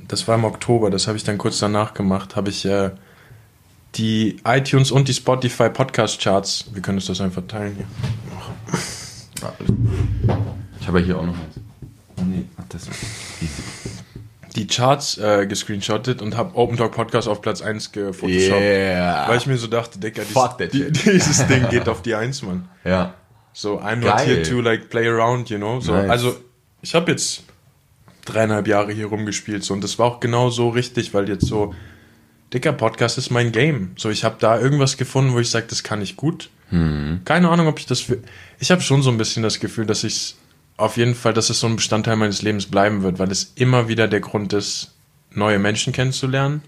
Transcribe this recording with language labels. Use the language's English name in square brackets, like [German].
[German] Das war im Oktober, das habe ich dann kurz danach gemacht, habe ich die iTunes und die Spotify Podcast-Charts, wir können uns das einfach teilen hier. Ich habe ja hier auch noch eins. Nee, ach, das ist easy. Die Charts gescreenshottet und habe Open Talk Podcast auf Platz 1 gefotoshoppt. Yeah. Weil ich mir so dachte, Digga, dieses Ding geht auf die 1, Mann. Ja. [English] So, I'm not here to like play around, you know. So, nice. [German] Also, ich habe jetzt 3,5 Jahre hier rumgespielt so, und das war auch genau so richtig, weil jetzt so, Digga, Podcast ist mein Game. So, ich habe da irgendwas gefunden, wo ich sage, das kann ich gut. Keine Ahnung, ob ich das für. Ich habe schon so ein bisschen das Gefühl, dass ich es auf jeden Fall, dass es so ein Bestandteil meines Lebens bleiben wird, weil es immer wieder der Grund ist, neue Menschen kennenzulernen.